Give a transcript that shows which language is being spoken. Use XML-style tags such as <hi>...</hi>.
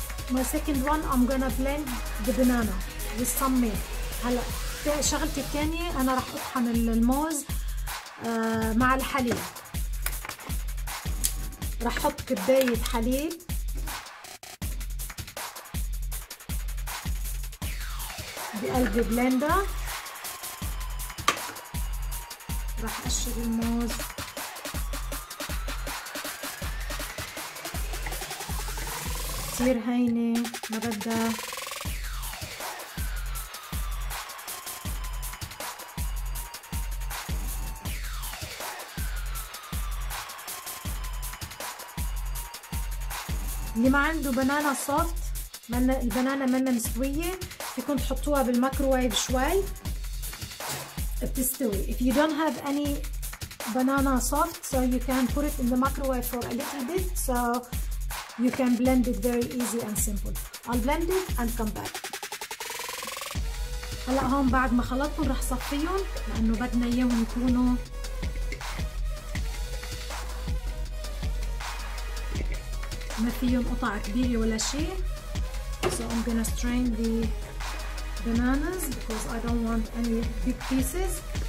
<en>My second one I'm gonna blend the banana with some milk.</en> <ar>هلا شغلتي الثانية أنا راح أطحن الموز مع الحليب. راح أحط كباية حليب بقلب بلندر. راح أقشر الموز. كتير هينة ما بدها. اللي ما عنده بنانا صوفت، البنانا منا مستوية، فيكم تحطوها بالمايكروويف شوي بتستوي.</ar> <en>If you don't have any banana soft, so you can put it in the microwave for a little bit, so you can blend it very easy and simple. I'll blend it and come back.</en> <ar>هلا هون بعد ما خلطتهم رح صفيهم لأنه بدنا إياهم يكونوا ما فيهم قطع كبيرة ولا شيء.</ar> <en>So I'm gonna strain the bananas because I don't want any big pieces.</en>